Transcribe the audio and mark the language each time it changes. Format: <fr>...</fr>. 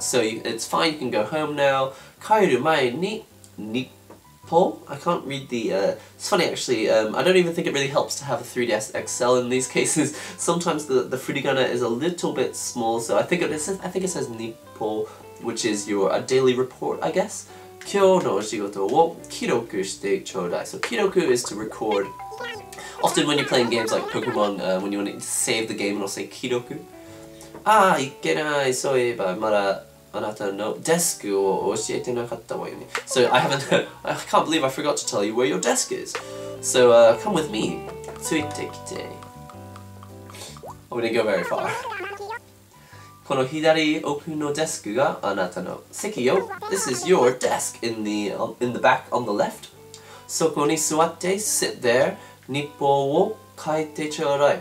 <en>So it's fine, you can go home now.</en> <ja>Kaeru mae ni nippo?</ja> <en>I can't read the... it's funny actually, I don't even think it really helps to have a 3DS XL in these cases. Sometimes the furigana is a little bit small, so I think it says nippo, which is your daily report, I guess.</en> <ja>今日の仕事を記録してちょうだい.</ja> <en>So, 記録 is to record. Often when you're playing games like Pokemon, when you want to save the game, it'll say 記録.</en> <ja>Ah, いけない. そういえば, まだあなたのデスクを教えてなかったわよね.</ja> <en>So, I can't believe I forgot to tell you where your desk is. So, come with me.</en> <ja>ついてきて.</ja> <en>I'm gonna go very far.</en> <ja>この左奥のデスクがあなたの席よ.</ja> <en>This is your desk in the back on the left.</en> <ja>そこに座って,</ja> <en>sit there.</en> <ja>日報を書いてちょうだい.</ja>